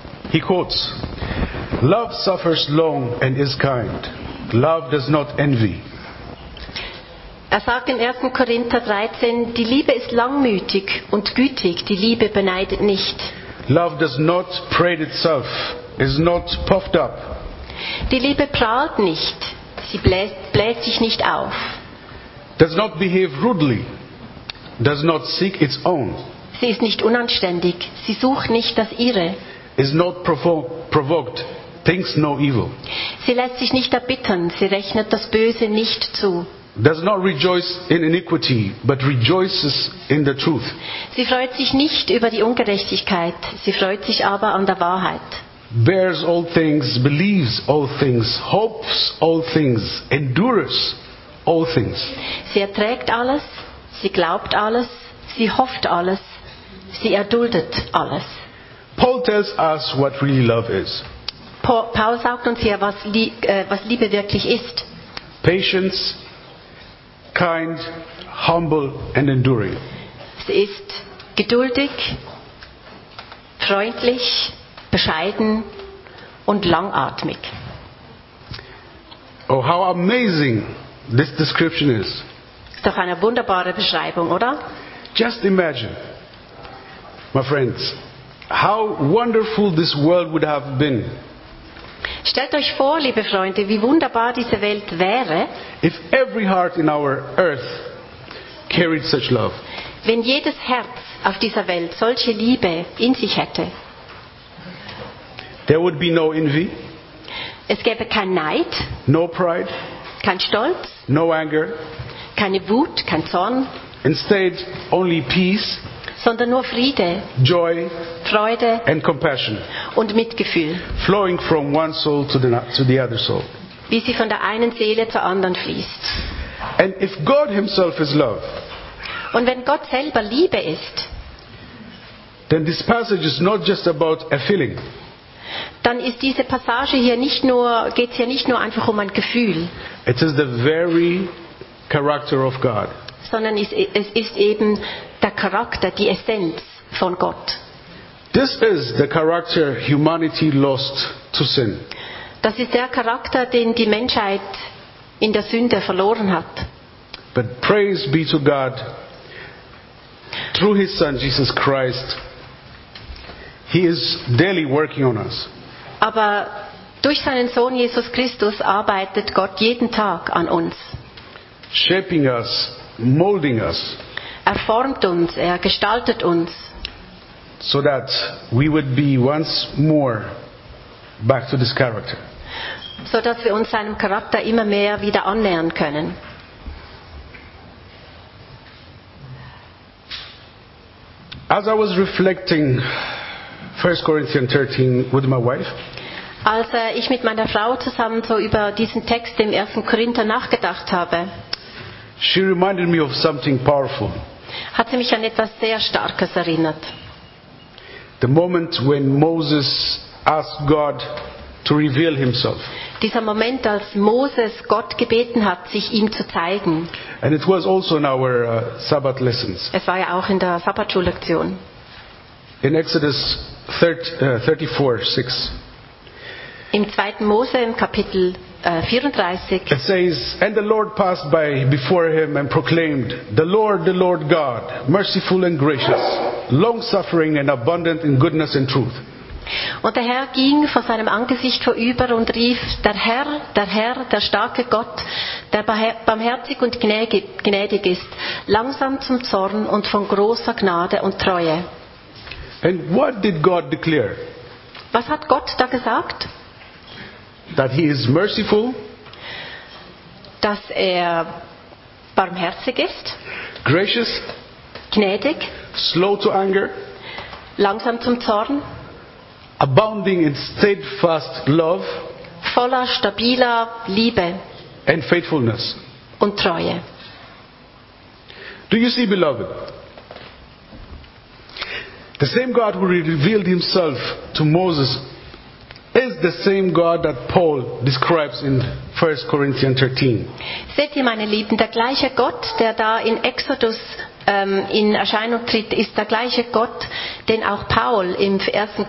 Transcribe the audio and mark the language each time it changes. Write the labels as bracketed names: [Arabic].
[English] He quotes, love suffers long and is kind. Love does not envy. [German] Er sagt in 1. Korinther 13, die Liebe ist langmütig und gütig, die Liebe beneidet nicht. [English] Love does not parade itself, is not puffed up. [German] Die Liebe prahlt nicht, sie bläst sich nicht auf. [English] Does not behave rudely, does not seek its own. [German] Sie ist nicht unanständig, sie sucht nicht das Ihre. [English] Is not provoked, thinks no evil. [German] Sie lässt sich nicht erbittern, sie rechnet das Böse nicht zu. [English] Does not rejoice in iniquity, but rejoices in the truth. [German] Sie freut sich nicht über die Ungerechtigkeit, sie freut sich aber an der Wahrheit. [English] Bears all things, believes all things, hopes all things, endures all things. [German] Sie erträgt alles, sie glaubt alles, sie hofft alles, sie erduldet alles. [English] Paul tells us what really love is. [German] Paul sagt uns hier, was Liebe wirklich ist. [English] Patience, kind, humble and enduring. [German] Sie ist geduldig, freundlich, bescheiden und langatmig. [English] Oh, how amazing this description is. [German] Ist doch eine wunderbare Beschreibung, oder? [English] Just imagine, my friends, how wonderful this world would have been. [German] Stellt euch vor, liebe Freunde, wie wunderbar diese Welt wäre. [English] If every heart in our earth carried such love. [German] Wenn jedes Herz auf dieser Welt solche Liebe in sich hätte. [English] There would be no envy. [German] Es gäbe kein Neid. [English] No pride. [German] Kein Stolz. [English] No anger. [German] Keine Wut, kein Zorn. [English] Instead, only peace. [German] Sondern nur Friede, [English] joy, [German] Freude [English] and compassion, [German] und Mitgefühl, [English] flowing from one soul to the other soul, [German] wie sie von der einen Seele zur anderen fließt. [English] And if God himself is love, [German] und wenn Gott selber Liebe ist, [English] then this passage is not just about a feeling, [German] dann ist diese Passage hier nicht nur, geht's hier nicht nur einfach um ein Gefühl. [English] It is the very character of God. [German] Sondern es ist eben der Charakter, die Essenz von Gott. [English] This is the character humanity lost to sin. [German] Das ist der Charakter, den die Menschheit in der Sünde verloren hat. [English] But praise be to God, through his son Jesus Christ, he is daily working on us. [German] Aber durch seinen Sohn Jesus Christus arbeitet Gott jeden Tag an uns. [English] Shaping us, molding us, [German] er formt uns, er gestaltet uns, [English] so that we would be once more back to this character, [German] so dass wir uns seinem Charakter immer mehr wieder annähern können. [English] As I was reflecting 1 Corinthians 13 with my wife, [German] als ich mit meiner Frau zusammen so über diesen Text im 1. Korinther nachgedacht habe, [English] she reminded me of something powerful. [German] Hat sie mich an etwas sehr Starkes erinnert. [English] The moment when Moses asked God to reveal himself. [German] Dieser Moment, als Moses Gott gebeten hat, sich ihm zu zeigen. [English] And it was also in our Sabbath lessons. [German] Es war ja auch in der Sabbatschullektion. [English] In Exodus 34:6. [German] Im 2. Mose im Kapitel 34. [English] It says, and the Lord passed by before him and proclaimed, the Lord God, merciful and gracious, long-suffering and abundant in goodness and truth. [German] Und der Herr ging vor seinem Angesicht vorüber und rief, der Herr, der starke Gott, der barmherzig und gnädig ist, langsam zum Zorn und von großer Gnade und Treue. [English] And what did God declare? [German] Was hat Gott da gesagt? [English] That he is merciful, [German] dass er barmherzig ist, [English] gracious, [German] gnädig, [English] slow to anger, [German] langsam zum Zorn, [English] abounding in steadfast love, [German] voller stabiler Liebe, [English] and faithfulness, [German] und Treue. [English] Do you see, beloved? The same God who revealed himself to Moses is the same God that Paul describes in 1 Corinthians 13. [German] Seht ihr, meine Lieben, der gleiche Gott, der da in Exodus in Erscheinung tritt, ist der gleiche Gott, den auch Paul im 1.